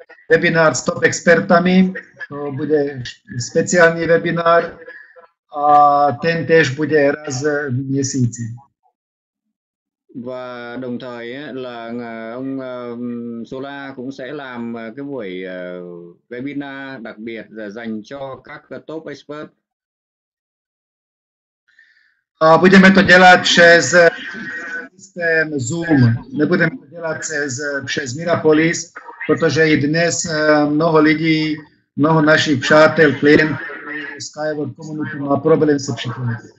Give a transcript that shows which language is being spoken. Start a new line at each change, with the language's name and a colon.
Czech: webinár s top expertami. To bude speciální webinár a ten též bude raz v měsíci.
Vietnamese: Và đồng thời là ông Sola cũng sẽ làm cái buổi webinar đặc biệt dành cho các top expert.
Czech: A budeme to dělat přes systém Zoom. Nebudeme to dělat přes Mirapolis, protože i dnes mnoho lidí, mnoho našich přátel, klientů Skyward Community má problém se připojit.